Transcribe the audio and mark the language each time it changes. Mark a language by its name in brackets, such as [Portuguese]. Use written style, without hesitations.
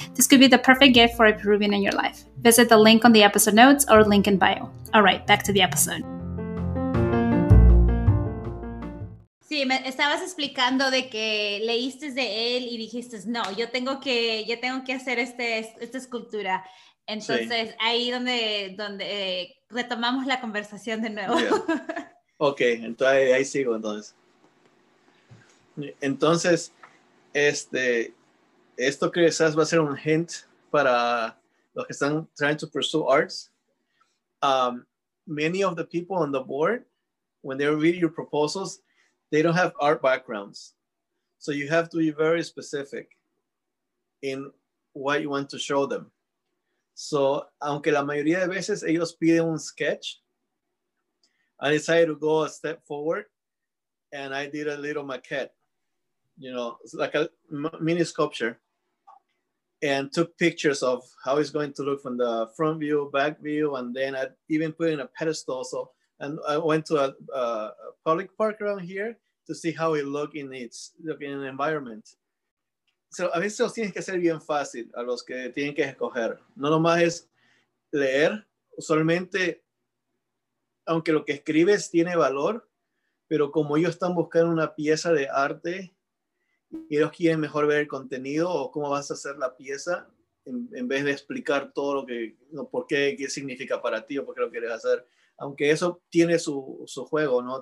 [English] This could be the perfect gift for a Peruvian in your life. Visit the link on the episode notes or link in bio. All right, back to the episode. [Spanish] Sí, me estabas explicando de que leíste de él y dijiste, no, yo tengo que hacer esta escultura. Entonces, sí. Ahí donde retomamos la conversación de nuevo. Yeah. Ok, entonces ahí sigo entonces. Entonces, esto quizás va a ser un hint para los que están [English] trying to pursue arts. Many of the people on the board, when they read your proposals, they don't have art backgrounds. So you have to be very specific in what you want to show them. So, [Spanish] aunque la mayoría de veces ellos piden un sketch, [English] I decided to go a step forward and I did a little maquette, you know, like a mini sculpture, and took pictures of how it's going to look from the front view, back view, and then I even put in a pedestal. So, and I went to a public park around here to see how it looked in its looking environment. [Spanish] So, a veces los tienes que hacer bien fácil a los que tienen que escoger. No nomás es leer, usualmente, aunque lo que escribes tiene valor, pero como ellos están buscando una pieza de arte y ellos quieren mejor ver el contenido o cómo vas a hacer la pieza, en vez de explicar todo lo que, no, por qué, qué significa para ti o por qué lo quieres hacer, aunque eso tiene su juego, ¿no?